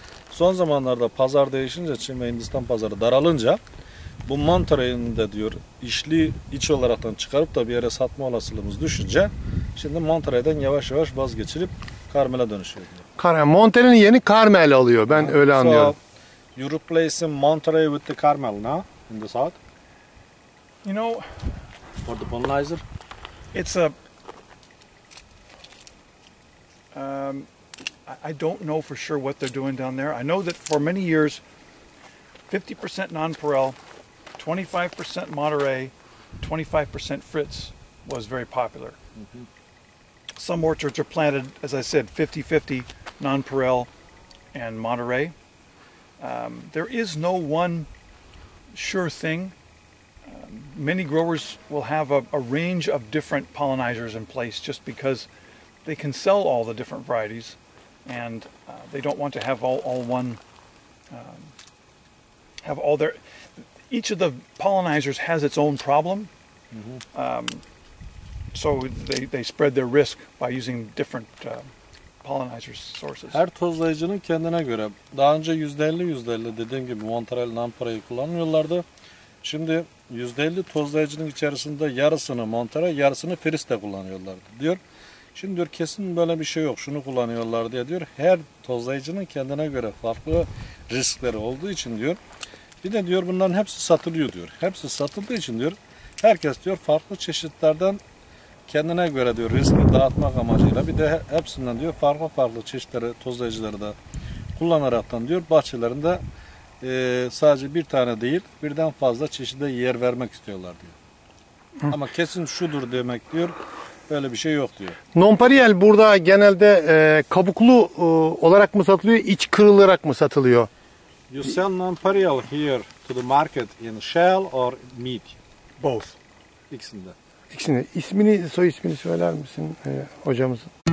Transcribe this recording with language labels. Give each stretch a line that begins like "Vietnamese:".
Turkish: Son zamanlarda pazar değişince Çin ve Hindistan pazarı daralınca bu Monterey'in de diyor işli iç olaraktan çıkarıp da bir yere satma olasılığımız düşünce şimdi Monterey'den yavaş yavaş vazgeçilip Carmel'e dönüşüyor diyor. Monterey'nin yeni Carmel alıyor ben yani, öyle anlıyorum.
English: So, you're replacing Monterey with the Carmel now. In the south, you know, for the pollinizer, it's a. I don't know for sure what they're doing down there. I know that for many years, 50% nonpareil, 25% Monterey, 25% Fritz was very popular. Mm-hmm. Some orchards are planted, as I said, 50-50 nonpareil and Monterey. There is no one sure thing. Many growers will have a range of different pollinizers in place just because they can sell all the different varieties and they don't want to have all one have all their each of the pollinizers has its own problem. Mm-hmm. So they spread their risk by using different pollinizer sources.
Turkish: Her tozlayıcının kendine göre daha önce %50 %50 dediğim gibi Monterey nonpareil kullanmıyorlardı. Şimdi %50 tozlayıcının içerisinde yarısını Monterey, yarısını Fritz de kullanıyorlardı diyor. Şimdi diyor kesin böyle bir şey yok. Şunu kullanıyorlar diye diyor. Her tozlayıcının kendine göre farklı riskleri olduğu için diyor. Bir de diyor bunların hepsi satılıyor diyor. Hepsi satıldığı için diyor herkes diyor farklı çeşitlerden kendine göre diyor riski dağıtmak amacıyla bir de hepsinden diyor farklı farklı çeşitleri tozlayıcıları da kullanaraktan diyor bahçelerinde sadece bir tane değil birden fazla çeşide yer vermek istiyorlar diyor. Hı. Ama kesin şudur demek diyor böyle bir şey yok diyor. Nonpareil burada genelde kabuklu olarak mı satılıyor iç kırılarak mı satılıyor?
English: You sell nonpareil here to the market in shell or meat? Both.
Turkish: İkisinde. İkisini, ismini, soy ismini söyler misin hocamızın?